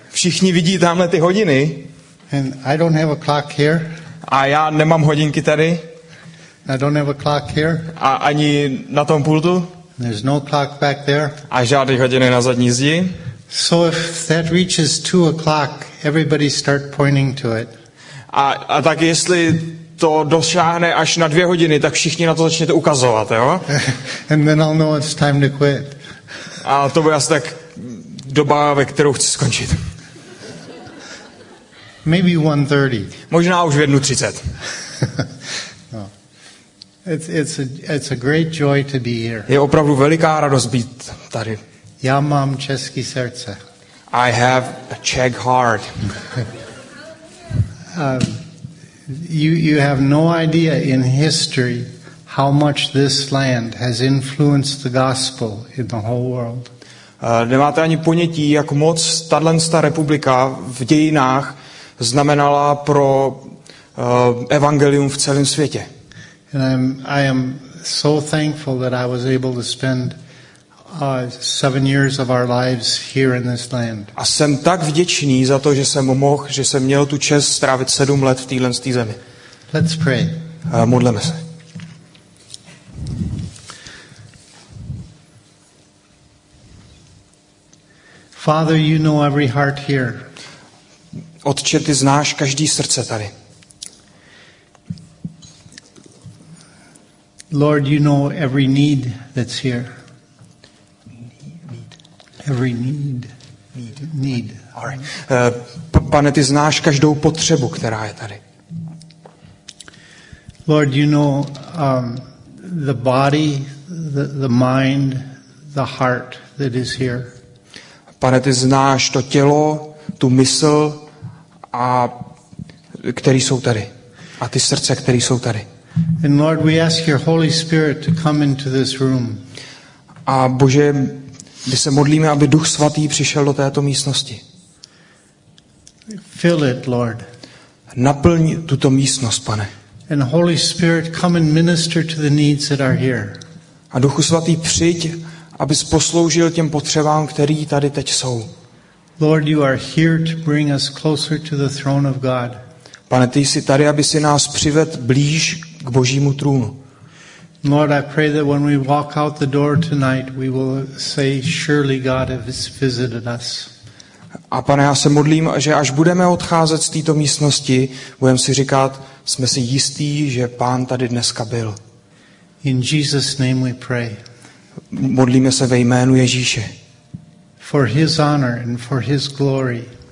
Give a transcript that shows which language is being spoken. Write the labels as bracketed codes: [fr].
[cs] Všichni vidí tamhle ty hodiny. [en] And I don't have a clock here. [cs] A já nemám hodinky tady. [en] I don't have a clock here. [cs] A ani na tom pultu. [en] There's no clock back there. [cs] A žádný hodiny na zadní zdi. [en] So if that reaches 2 o'clock, everybody start pointing to it. [cs] A tak jestli to dosáhne až na 2 hodiny, tak všichni na to začnete ukazovat, jo? [en] And then I'll know it's time to quit. [cs] A to bude asi tak doba, ve kterou chci skončit. [en] Maybe 1:30. [cs] Možná už v 1:30. [en] No. It's a great joy to be here. [cs] Je opravdu veliká radost být tady. Já mám české srdce. [en] I have a Czech heart. You have no idea in history how much this land has influenced the gospel in the whole world. [cs] Nemáte ani ponětí, jak moc tato republika v dějinách znamenala pro evangelium v celém světě. [en] And I am so thankful that I was able to spend 7 years of our lives here in this land. [cs] A jsem tak vděčný za to, že jsem mohl, že jsem měl tu čest strávit 7 let v této zemi. [en] Let's pray. [cs] Modleme se. [en] Father, you know every heart here. [cs] Otče, ty znáš každý srdce tady. [en] Lord, you know every need that's here. Every need. All right. [cs] Pane, ty znáš každou potřebu, která je tady. [en] Lord, you know the body, the mind, the heart that is here. [cs] Pane, ty znáš to tělo, tu mysl, a který jsou tady. A ty srdce, které jsou tady. [en] And Lord, we ask your Holy Spirit to come into this room. [cs] A Bože, my se modlíme, aby Duch Svatý přišel do této místnosti. [en] Fill it, Lord. [cs] Naplň tuto místnost, Pane. [en] And Holy Spirit, come and minister to the needs that are here. [cs] A Duchu Svatý, přijď, abys posloužil těm potřebám, které tady teď jsou. [en] Lord, you are here to bring us closer to the throne of God. [cs] Pane, ty jsi tady, aby si nás přived blíž k Božímu trůnu. [en] Lord, I pray that when we walk out the door tonight, we will say, surely God has visited us. [cs] A Pane, já se modlím, že až budeme odcházet z této místnosti, budeme si říkat, jsme si jistí, že Pán tady dneska byl. [en] In Jesus' name we pray. [cs] Modlíme se ve jménu Ježíše. [en] For his honor and for his glory.